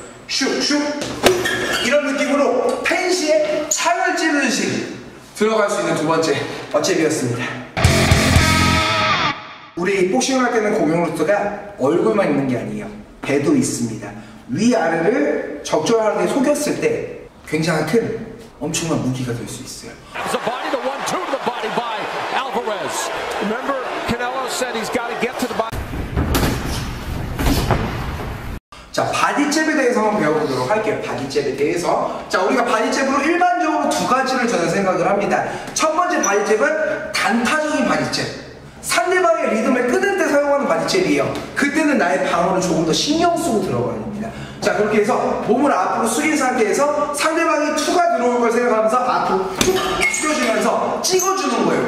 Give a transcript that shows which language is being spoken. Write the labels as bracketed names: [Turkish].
[Korean] 슉슉 이런 느낌으로 펜시에 창을 찌르듯이 들어갈 수 있는 두 번째 어잽이었습니다. 우리 복싱을 할 때는 공용루트가 얼굴만 있는 게 아니에요. 배도 있습니다. 위아래를 적절하게 속였을 때 굉장히 큰 엄청난 무기가 될 수 있어요. [English] It's a body to one, two to the body by Alvarez. Remember, Canelo said he's got to get to the body. [Korean] 자, 바디잽에 대해서 한번 배워보도록 할게요. 바디잽에 대해서. 자, 우리가 바디잽으로 일반적으로 두 가지를 저는 생각을 합니다. 첫 번째 바디잽은 단타적인 바디잽. 상대방의 리듬을 끊을 때 사용하는 바디잽이에요. 그때는 나의 방어를 조금 더 신경 쓰고 들어가야 됩니다. 자, 그렇게 해서 몸을 앞으로 숙인 상태에서 상대방이 투가 들어올 걸 생각하면서 앞으로 툭 숙여주면서 찍어주는 거예요.